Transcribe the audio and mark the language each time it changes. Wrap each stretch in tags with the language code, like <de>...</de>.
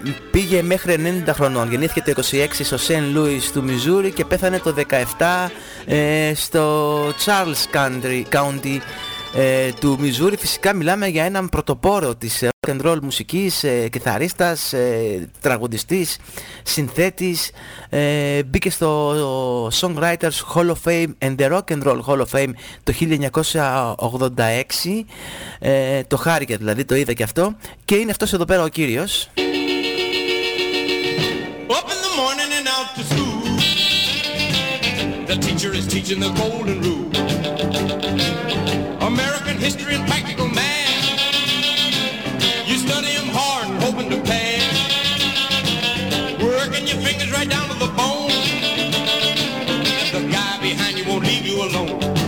<el>Πήγε μέχρι 90 χρονών, γεννήθηκε το 26 στο Σεν Λούις του Μιζούρι και πέθανε το 17 στο Charles County του Μιζούρι. Φυσικά μιλάμε για έναν πρωτοπόρο της rock and roll μουσικής, κιθαρίστας, τραγουδιστής, συνθέτης. Μπήκε στο Songwriters Hall of Fame and the Rock and Roll Hall of Fame το 1986. Το χάρηκε δηλαδή, το είδα και αυτό. Και είναι αυτός εδώ πέρα ο κύριος.</el> <en>Up in the morning and out to school, the teacher is teaching the golden rule, American history and practical man. You study him hard and hoping to pass, working your fingers right down to the bone, and the guy behind you won't leave you alone.</en>